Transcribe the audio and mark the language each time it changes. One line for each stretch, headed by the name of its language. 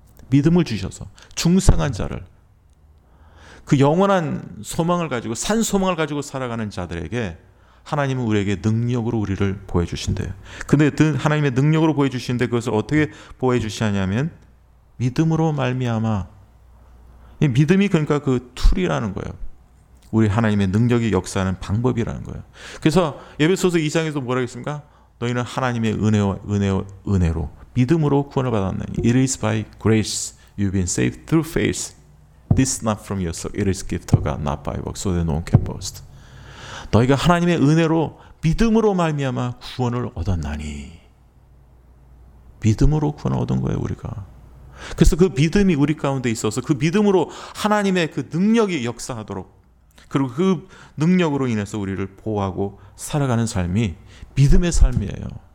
Korean: 믿음을 주셔서 중생한 자를, 그 영원한 소망을 가지고, 산소망을 가지고 살아가는 자들에게 하나님은 우리에게 능력으로 우리를 보호해 주신대요. 근데 하나님의 능력으로 보호해 주시는데 그것을 어떻게 보호해 주시냐면 믿음으로 말미암아. 이 믿음이 그러니까 그 툴이라는 거예요. 우리 하나님의 능력이 역사하는 방법이라는 거예요. 그래서 에베소서 2장에서 뭐라고 했습니까? 너희는 하나님의 은혜로 믿음으로 구원을 받았느니
English: It is by grace you've been saved through faith. This is not from yourself. It is gift of God, not by works, so that no one can boast.
Korean: 너희가 하나님의 은혜로 믿음으로 말미암아 구원을 얻었나니. 믿음으로 구원을 얻은 거예요, 우리가. 그래서 그 믿음이 우리 가운데 있어서 그 믿음으로 하나님의 그 능력이 역사하도록, 그리고 그 능력으로 인해서 우리를 보호하고 살아가는 삶이 믿음의 삶이에요.